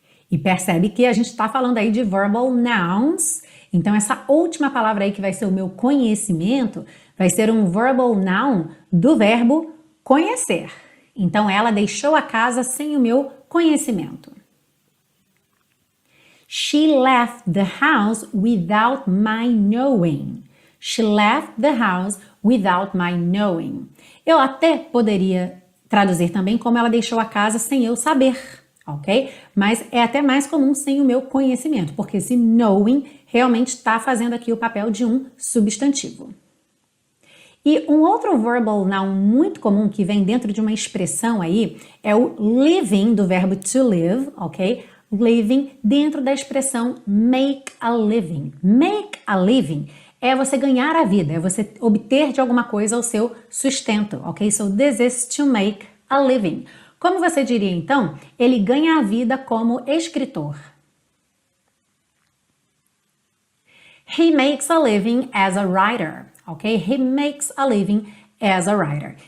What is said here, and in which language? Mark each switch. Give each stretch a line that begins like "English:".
Portuguese: E percebe que a gente está falando aí de verbal nouns. Então, essa última palavra aí que vai ser o meu conhecimento vai ser um verbal noun do verbo conhecer. Então, ela deixou a casa sem o meu conhecimento.
English: She left the house without my knowing. She left the house without my knowing.
Portuguese: Eu até poderia traduzir também como ela deixou a casa sem eu saber, ok? Mas é até mais comum sem o meu conhecimento, porque esse knowing realmente está fazendo aqui o papel de um substantivo. E um outro verbal noun muito comum que vem dentro de uma expressão aí é o living, do verbo to live, ok? Living dentro da expressão make a living. Make a living é você ganhar a vida, é você obter de alguma coisa o seu sustento, ok?
English: So this is to make a living.
Portuguese: Como você diria então? Ele ganha a vida como escritor.
English: He makes a living as a writer,
Portuguese: ok?
English: He makes a living as a writer.